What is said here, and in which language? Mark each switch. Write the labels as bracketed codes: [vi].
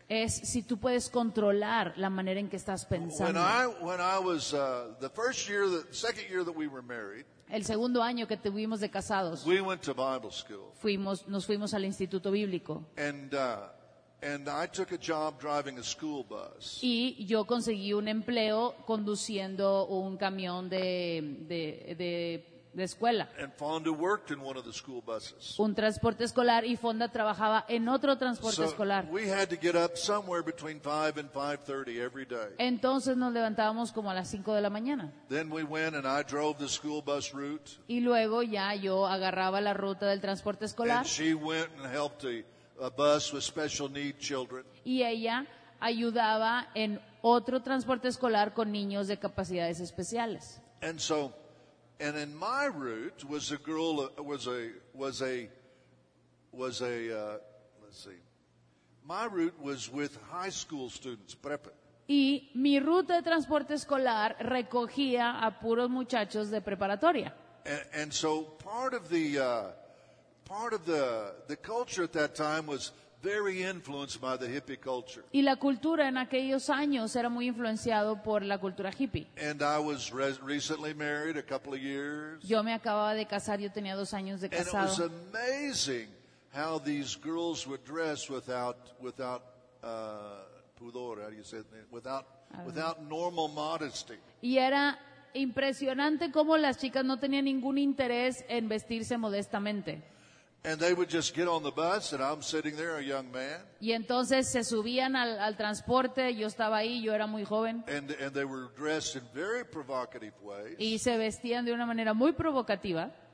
[es] Es si tú puedes controlar la manera en que estás pensando. [en] When I was the first year, the second year that we were married. [es] El segundo año que tuvimos de casados. [en] We went to Bible school. [es] Nos fuimos al instituto bíblico. [en] And I took a job driving a school bus. [es] Y yo conseguí un empleo conduciendo un camión de escuela. [en] And Fonda worked in one of the school buses. [es] Un transporte escolar y Fonda trabajaba en otro transporte escolar. [en] We had to get up somewhere between 5 and 5:30 every day. [es] Entonces nos levantábamos como a las 5 de la mañana. [en] Then we went and I drove the school bus route. [es] Y luego ya yo agarraba la ruta del transporte escolar. [en] And she went and helped a bus with special need children. [es] Y ella ayudaba en otro transporte escolar con niños de capacidades especiales. [en] And so, and in my route was a girl, my route was with high school students, prepa. [es] Y mi ruta de transporte escolar recogía a puros muchachos de preparatoria. [en] And so part of the culture at that time was very influenced by the hippie culture. [es] Y la cultura en aquellos años era muy influenciado por la cultura hippie. [en] And I was recently married a couple of years. [es] Yo me acababa de casar, yo tenía 2 años de casado. [en] And it was amazing how these girls would dress without pudor. How do you say that? Without normal modesty. [es] Y era impresionante cómo las chicas no tenían ningún interés en vestirse modestamente. [en] And they would just get on the bus, and I'm sitting there, a young man. [es] Y entonces se subían al transporte. Yo estaba ahí. Yo era muy joven. [en] And they were dressed in very provocative ways. [es] Y se vestían de una manera muy provocativa.